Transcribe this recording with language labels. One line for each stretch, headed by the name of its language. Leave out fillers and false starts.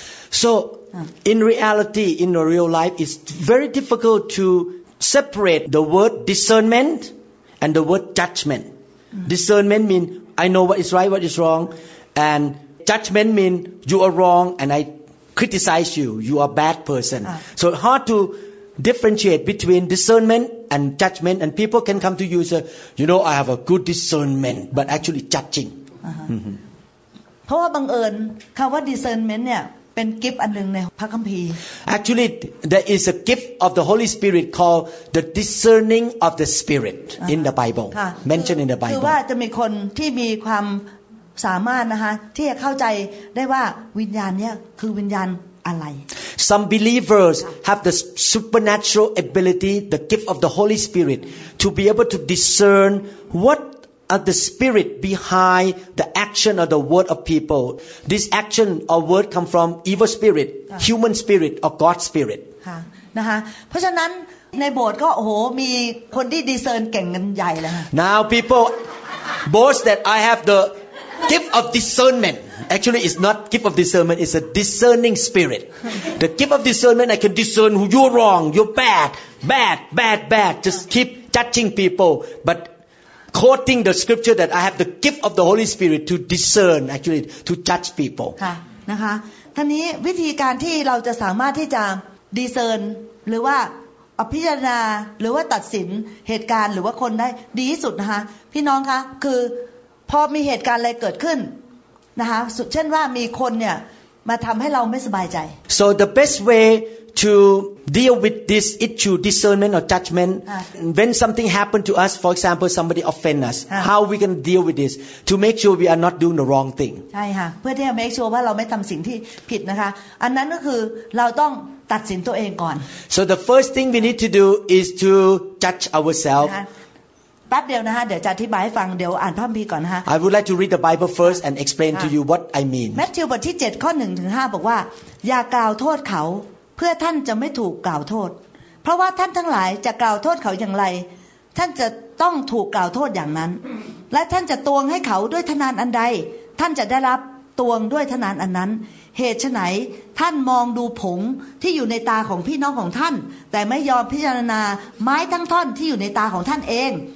English: So, in reality, in the real life, it's very difficult to separate the word discernment and the word judgment. Discernment means I know what is right, what is wrong. And judgment means you are wrong and I criticize you. You are a bad person. So hard to differentiate between discernment and judgment. And people can come to you and say, you know, I have a good discernment, but actually judging. Because, by chance, the word discernment is...
Thai: เป็นกิฟต์อันนึงในพระคัมภีร์
English: Actually there is a gift of the Holy Spirit called the discerning of the spirit in the Bible mentioned in the Bible
Thai: คือว่าจะมีคนที่มีความสามารถนะคะที่จะเข้าใจได้ว่าวิญญาณเนี่ยคือวิญญาณอะไร
English: Some believers have the supernatural ability the gift of the Holy Spirit to be able to discern whatOf the spirit behind the action or the word of people, this action or word come from evil spirit, human spirit, or God spirit.
Thai: ค่ะนะคะเพราะฉะนั้นในโบสถ์ก็โอ้โหมีคนที่ดีเซิร์นเก่งกันใหญ่เลยค่ะ
English: Now people boast that I have the gift of discernment. Actually, it's not gift of discernment. It's a discerning spirit. The gift of discernment, I can discern who you're wrong, you're bad, bad, bad, bad. Just keep judging people, but. Quoting the scripture that I have the gift of the Holy Spirit to discern, actually to judge people.
Thai: ค่ะนะคะท่านี้วิธีการที่เราจะสามารถที่จะ discern หรือว่าอภิญญาหรือว่าตัดสินเหตุการณ์หรือว่าคนได้ดีที่สุดนะคะพี่น้องคะคือพอมีเหตุการณ์อะไรเกิดขึ้นนะคะเช่นว่ามีคนเนี่ยมาทำให้เราไม่สบายใจ
English: So the best way to deal with this issue discernment or judgment when something happened to us for example somebody offend us how we can deal with this to make sure we are not doing the wrong thing
Thai: ใช่ค่ะเพื่อที่จะ
English: make sure
Thai: ว่าเราไม่ทำสิ่งที่ผิดนะคะอันนั้นก็คือเราต้องตัดสินตัวเองก่อน
English: So the first thing we need to do is to judge ourselves
Thai: แป๊บเดียวนะคะเดี๋ยวจะอธิบายให้ฟังเดี๋ยวอ่านพระคัมภีร์ก่อนนะคะ
English: I would like to read the Bible first and explain to you what I mean
Thai: Matthew บทที่7ข้อ1ถึง5บอกว่าอย่ากล่าวโทษเขาเพื่อท่านจะไม่ถูกกล่าวโทษเพราะว่าท่านทั้งหลายจะกล่าวโทษเขาอย่างไรท่านจะต้องถูกกล่าวโทษอย่างนั้น และท่านจะตวงให้เขาด้วยทนานอันใดท่านจะได้รับตวงด้วยทนานอันนั้นเหตุไฉนท่านมองดูผงที่อยู่ในตาของพี่น้องของท่านแต่ไม่ยอมพิจารณาไม้ทั้งท่อนที่อยู่ในตาของท่านเอง